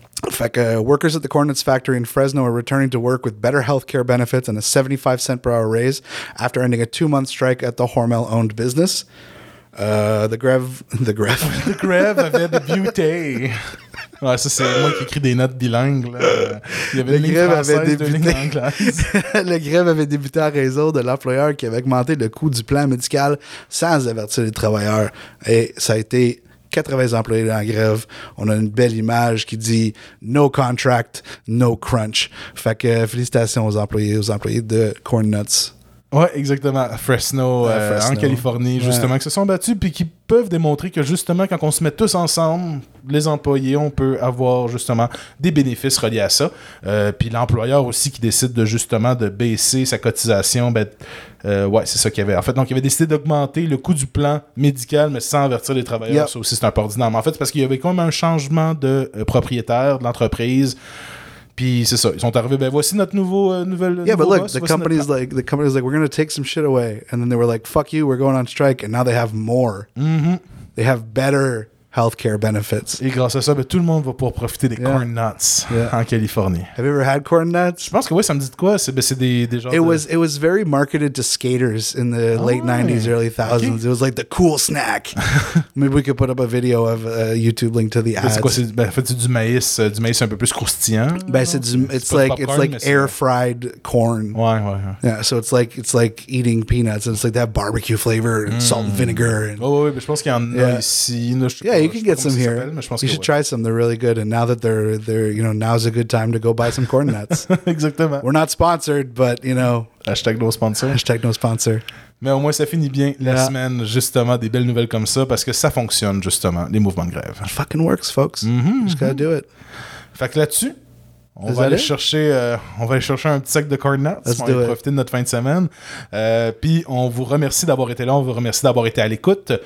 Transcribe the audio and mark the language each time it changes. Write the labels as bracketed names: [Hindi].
[French] Fait que [English] workers at the Corn Nuts factory in Fresno are returning to work with better health care benefits and a 75 cent per hour raise after ending a 2-month strike at the Hormel owned business. [French] The grève avait de beauté. Ouais, ça, c'est moi qui écris des notes bilingues. Là. Il y avait La grève avait débuté à raison de l'employeur qui avait augmenté le coût du plan médical sans avertir les travailleurs. Et ça a été 80 employés en grève. On a une belle image qui dit « [English] No contract, no crunch ». [French] Fait que félicitations aux employés de Corn Nuts. Ouais, exactement. Fresno, en Californie, justement, qui se sont battus puis qui peuvent démontrer que, justement, quand on se met tous ensemble, les employés, on peut avoir, justement, des bénéfices reliés à ça. Puis l'employeur aussi qui décide, de baisser sa cotisation, c'est ça qu'il y avait. En fait, donc, il avait décidé d'augmenter le coût du plan médical, mais sans avertir les travailleurs. Yep. Ça aussi, c'est un peu ordinaire. Mais en fait, c'est parce qu'il y avait quand même un changement de propriétaire de l'entreprise. Puis c'est ça, ils sont arrivés, voici notre nouvelle [English] boss. Yeah, but look, the company's like, we're going to take some shit away. And then they were like, fuck you, we're going on strike. And now they have more. Mm-hmm. They have better healthcare benefits. [French] Et grâce à ça, tout le monde va pouvoir profiter des corn nuts en Californie. [English] Have you ever had corn nuts? [French] Je pense que oui, ça me dit de quoi? C'est des genres [English] It was very marketed to skaters in the late 90s, early 2000s. Okay. It was like the cool snack. Maybe we could put up a video of a YouTube link to the ads. [French] C'est quoi? C'est du maïs un peu plus croustillant. [English] It's like air fried corn. [French] Ouais. [English] Yeah, so it's like eating peanuts and it's like that barbecue flavor and salt and vinegar. [French] Ouais, mais je pense qu'il y en a ici. [English] Yeah, you can get some here. You should try some. They're really good. And now that they're, now's a good time to go buy some corn nuts. Exactement. We're not sponsored, but, Hashtag no sponsor. Hashtag no sponsor. [French] Mais au moins, ça finit bien la semaine, justement, des belles nouvelles comme ça, parce que ça fonctionne, justement, les mouvements de grève. [English] It fucking works, folks. Mm-hmm, just gotta do it. [French] Fait que là-dessus, on va aller chercher un petit sac de corn nuts. [English] Let's [French] on va profiter de notre fin de semaine. Puis, on vous remercie d'avoir été là. On vous remercie d'avoir été à l'écoute.